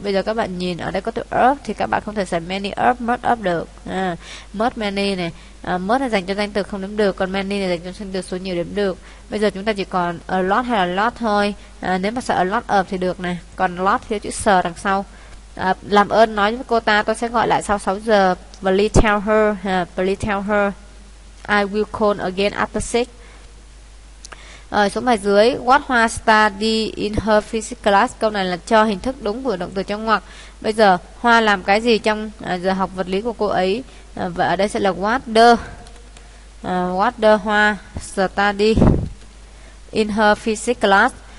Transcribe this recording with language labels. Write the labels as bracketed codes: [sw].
[vi] Bây giờ các bạn nhìn ở đây có từ up thì các bạn không thể xài many up, most up được. Most many này, most là dành cho danh từ không đếm được, còn many là dành cho danh từ số nhiều đếm được. Bây giờ chúng ta chỉ còn a lot hay là lot thôi. Nếu mà sợ a lot up thì được này, còn lot thiếu chữ s đằng sau. Làm ơn nói với cô ta tôi sẽ gọi lại sau 6 giờ. [en] Please tell her, please tell her I will call again after 6. [vi] Ở số bài dưới, [en] what hoa study in her physics class? [vi] Câu này là cho hình thức đúng của động từ trong ngoặc. Bây giờ, hoa làm cái gì trong giờ học vật lý của cô ấy? Và ở đây sẽ là [en] what the hoa study in her physics class.